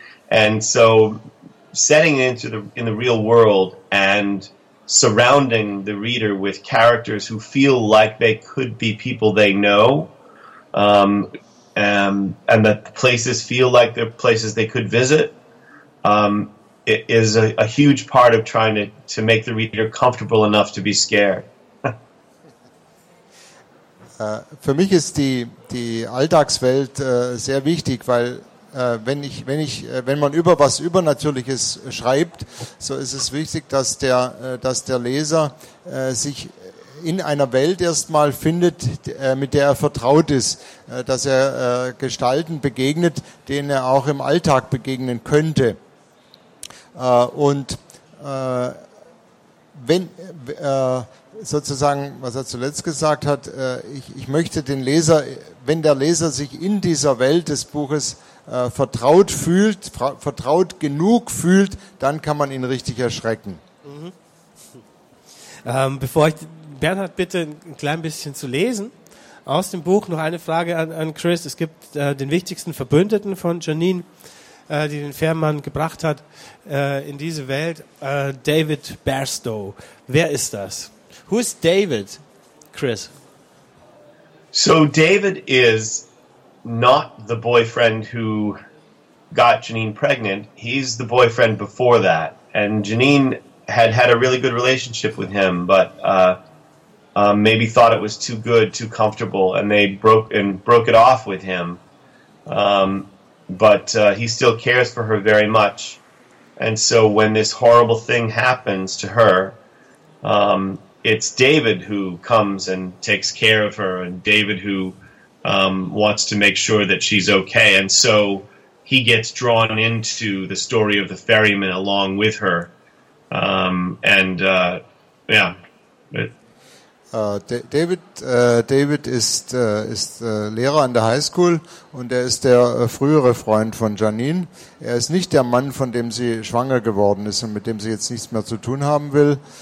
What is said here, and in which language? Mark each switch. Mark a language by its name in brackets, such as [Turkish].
[English] And so setting it in the real world and surrounding the reader with characters who feel like they could be people they know, and that the places feel like they're places they could visit, it is a huge part of trying to make the reader comfortable enough to be scared. [German] Für mich ist die Alltagswelt sehr wichtig, weil wenn man über was Übernatürliches schreibt, so ist es wichtig, dass der Leser sich in einer Welt erstmal findet, mit der er vertraut ist, dass er Gestalten begegnet, denen er auch im Alltag begegnen könnte. Und wenn sozusagen, was er zuletzt gesagt hat, ich möchte den Leser, wenn der Leser sich in dieser Welt des Buches vertraut fühlt, vertraut genug fühlt, dann kann man ihn richtig erschrecken. Mhm. Bevor ich Bernhard bitte ein klein bisschen zu lesen aus dem Buch, noch eine Frage an Chris. Es gibt den wichtigsten Verbündeten von Janine, die den Fährmann gebracht hat in diese Welt, David Barstow. Wer ist das? Who is David, Chris? [English] So David is not the boyfriend who got Janine pregnant. He's the boyfriend before that. And Janine had a really good relationship with him, but maybe thought it was too good, too comfortable, and they broke it off with him. But he still cares for her very much. And so when this horrible thing happens to her, it's David who comes and takes care of her, and David who wants to make sure that she's okay. And so he gets drawn into the story of the ferryman along with her. [German] David ist Lehrer an der High School, und er ist der frühere Freund von Janine. Er ist nicht der Mann, von dem sie schwanger geworden ist und mit dem sie jetzt nichts mehr zu tun haben will.